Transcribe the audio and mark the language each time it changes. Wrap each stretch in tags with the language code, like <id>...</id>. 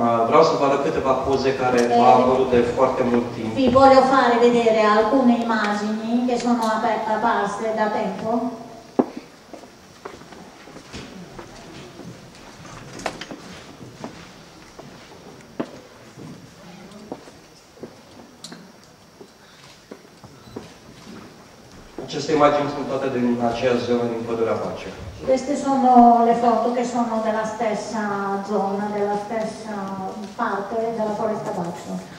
<ro>Vreau să vă arăt câteva poze care v-au apărut de foarte mult timp.</ro> <it>Vi voglio fare vedere alcune immagini che sono apparse da tempo.</it> <ro>Aceste imagini sunt toate din aceea zonă din pădurea Baciu.</ro> <it>Queste sono le foto che sono della stessa zona, della stessa parte della foresta Baciu.</it>